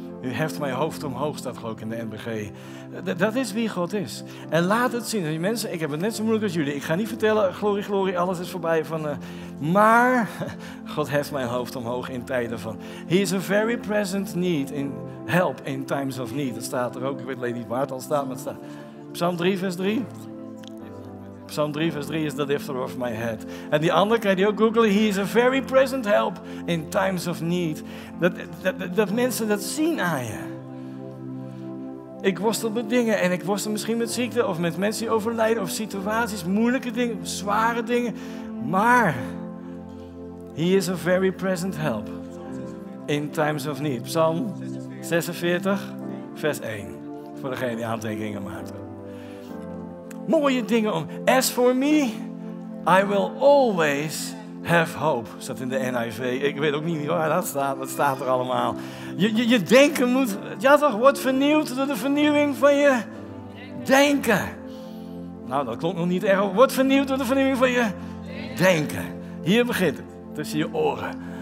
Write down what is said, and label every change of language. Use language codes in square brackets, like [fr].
[nl] U heft mijn hoofd omhoog, staat geloof ik in de NBG. Dat is wie God is. En laat het zien. Mensen, ik heb het net zo moeilijk als jullie. Ik ga niet vertellen, glorie, glorie, alles is voorbij. Maar God heft mijn hoofd omhoog in tijden van... [en] He is a very present need in help in times of need. [nl] Dat staat er ook, ik weet alleen niet waar het al staat, maar het staat... Psalm 3, vers 3. Psalm 3, vers 3 [en] is the lifter of my head. [nl] En die andere kan je ook googlen. [en] He is a very present help in times of need. [nl] Dat mensen dat zien aan je. Ik worstel met dingen en ik worstel misschien met ziekte of met mensen die overlijden of situaties, moeilijke dingen, zware dingen. [en] Maar He is a very present help in times of need. [nl] Psalm 46, vers 1. Voor degene die aantekeningen maakt. Mooie dingen om. [en] As for me, I will always have hope. [nl] Staat in de NIV. Ik weet ook niet waar dat staat. Dat staat er allemaal. Je denken moet... Ja toch, wordt vernieuwd door de vernieuwing van je denken. Nou, dat klonk nog niet erg. Wordt vernieuwd door de vernieuwing van je denken. Hier begint het. Tussen je oren.